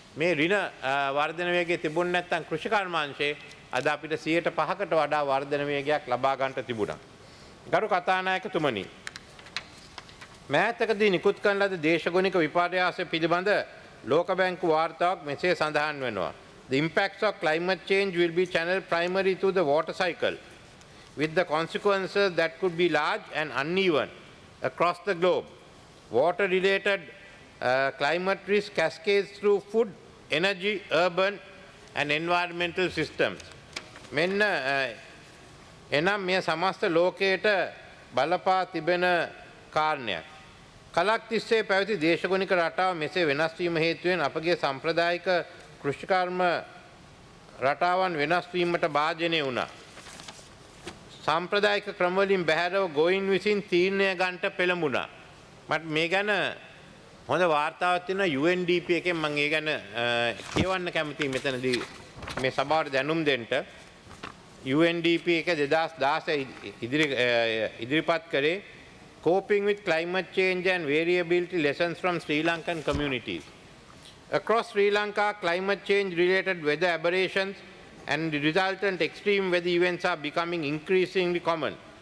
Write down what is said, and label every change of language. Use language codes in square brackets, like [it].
[si] මේ ඍණ වර්ධන වේගය තිබුණ නැත්නම් කෘෂි කර්මාංශයේ අද අපිට 5%කට වඩා වර්ධන වේගයක් ලබා ගන්නට තිබුණා. ගරු කථානායකතුමනි, මෑතකදී නිකුත් කරන ලද දේශගුණික විපර්යාස පිළිබඳ ලෝක බැංකු වාර්තාවක් මෙසේ සඳහන් වෙනවා. [en] The impacts of climate change will be channeled primarily through the water cycle, with the consequences that could be large and uneven across the globe. Water-related climate risk cascades through food, energy, urban and environmental systems. [si] මෙන්න එනම් මේ සමස්ත ලෝකයට බලපා තිබෙන කාරණයක්. කලක් තිස්සේ පැවති දේශගුණික රටාව මෙසේ වෙනස් වීම හේතුවෙන් අපගේ සම්ප්‍රදායික කෘෂිකර්ම රටාවන් වෙනස් වීමට භාජනය වුණා. සම්ප්‍රදායික ක්‍රමවලින් බැහැරව ගොයින් විසින් තීරණය ගන්නට පෙළඹුණා. මට මේ ගැන හොඳ වාර්තාවක් තියෙනවා. UNDP එකෙන් මම ඒ ගැන කියවන්න කැමතියි මෙතනදී මේ සභාවට දැනුම් දෙන්න. UNDP එක 2016 ඉදිරිපත් කරේ [en] Coping with climate change and variability lessons from Sri Lankan communities. Across Sri Lanka, climate change related weather aberrations and the resultant extreme weather events are becoming increasingly common.